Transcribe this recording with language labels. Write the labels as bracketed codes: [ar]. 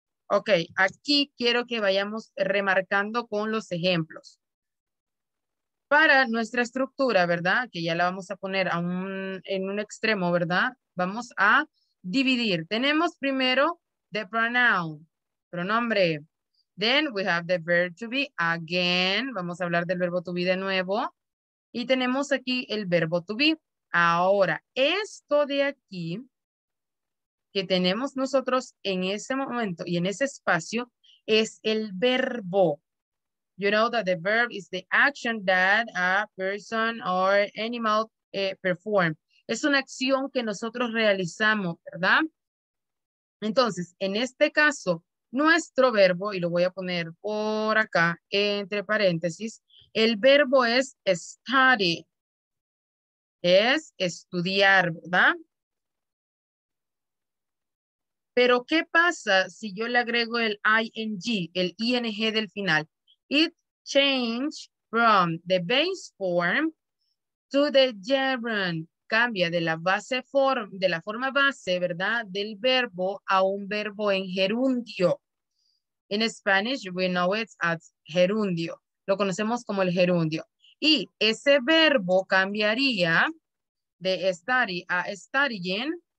[es] Ok, aquí quiero que vayamos remarcando con los ejemplos. Para nuestra estructura, ¿verdad?, que ya la vamos a poner en un extremo, ¿verdad?, vamos a dividir. Tenemos primero [en] the pronoun, [es] pronombre. [en] Then we have the verb to be again. [es] Vamos a hablar del verbo to be de nuevo. Y tenemos aquí el verbo to be. Ahora, esto de aquí que tenemos nosotros en ese momento y en ese espacio es el verbo. [en] You know that the verb is the action that a person or animal perform. [es] Es una acción que nosotros realizamos, ¿verdad? Entonces, en este caso, nuestro verbo, y lo voy a poner por acá, entre paréntesis, el verbo es study, es estudiar, ¿verdad? Pero, ¿qué pasa si yo le agrego el ing, el ing del final? [en] It changed from the base form to the gerund. [es] Cambia de la base form, de la forma base, ¿verdad?, del verbo a un verbo en gerundio. [en] In Spanish, we know it as gerundio. [es] Lo conocemos como el gerundio. Y ese verbo cambiaría de study a studying.